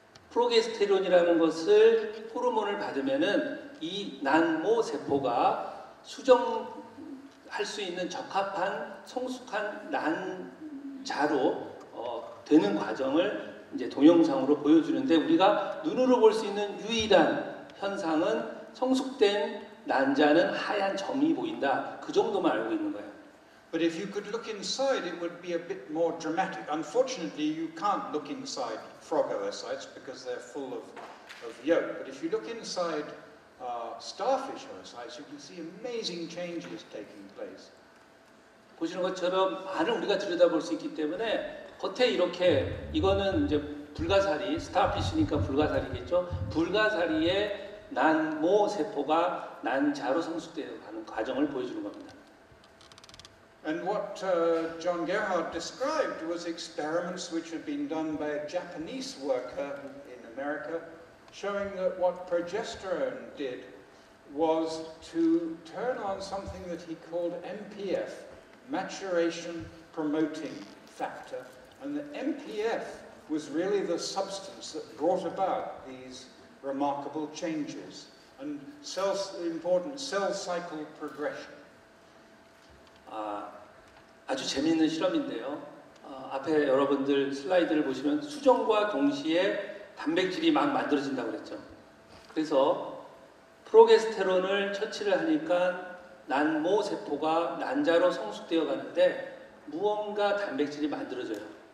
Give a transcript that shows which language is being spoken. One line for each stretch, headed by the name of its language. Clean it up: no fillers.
Korean: 프로게스테론이라는 것을 호르몬을 받으면은 이 난모세포가 수정할 수 있는 적합한 성숙한 난자로 되는 과정을 이제 동영상으로 보여주는데 우리가 눈으로 볼 수 있는 유일한 현상은 성숙된 난자는 하얀 점이 보인다. 그 정도만 알고 있는 거예요.
English: But if you could look inside, it would be a bit more dramatic. Unfortunately, you can't look inside frog oocytes because they're full of yolk. But if you look inside starfish oocytes, you can see amazing changes taking place.
Korean: 보시는 것처럼 안을 우리가 들여다볼 수 있기 때문에 겉에 이렇게 이거는 이제 불가사리, 스타피시니까 불가사리겠죠. 불가사리의 난모 세포가 난자로 성숙되어 가는 과정을 보여주는 겁니다.
English: And what John Gerhard described was experiments which had been done by a Japanese worker in America showing that what progesterone did was to turn on something that he called MPF, maturation promoting factor, and the MPF was really the substance that brought about these remarkable changes and cells, important cell cycle progression.
Korean: 아주 재미있는 실험인데요. 앞에 여러분들 슬라이드를 보시면 수정과 동시에 단백질이 막 만들어진다고 그랬죠. 그래서 프로게스테론을 처치를 하니까 난모 세포가 난자로 성숙되어 가는데 무언가 단백질이 만들어져요.